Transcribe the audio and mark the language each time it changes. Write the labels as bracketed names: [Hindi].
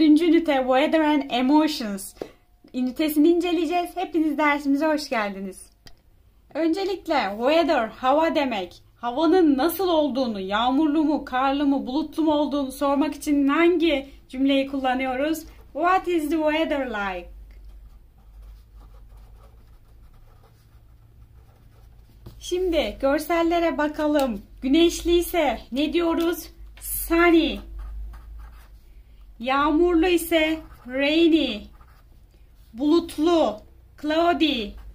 [Turkish] ünite Weather and Emotions ünitesini inceleyeceğiz. Hepiniz dersimize hoş geldiniz. Öncelikle weather hava demek. Havanın nasıl olduğunu, yağmurlu mu, karlı mı, bulutlu mu olduğunu sormak için hangi cümleyi kullanıyoruz? [English] What is the weather like? [Turkish] Şimdi görsellere bakalım. Güneşli ise ne diyoruz? Sunny. Yağmurlu ise rainy. Bulutlu, cloudy.